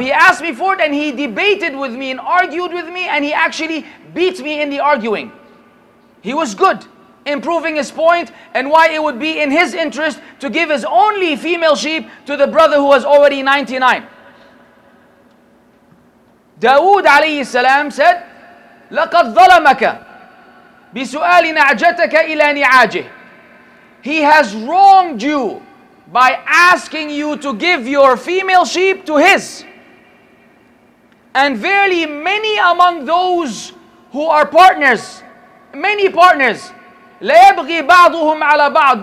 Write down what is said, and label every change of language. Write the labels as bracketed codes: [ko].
[en] He asked me for it and he debated with me and argued with me, and he actually beat me in the arguing. He was good, improving his point and why it would be in his interest to give his only female sheep to the brother who was already 99. Dawood alayhi salam said, [ar] لَقَدْ ظَلَمَكَ بِسُؤَالِ نَعْجَتَكَ إِلَى نِعَاجِهِ. [en] He has wronged you by asking you to give your female sheep to his. And verily many among those who are partners, many partners, [ar] لَيَبْغِي بَعْضُهُمْ عَلَى بَعْضٍ.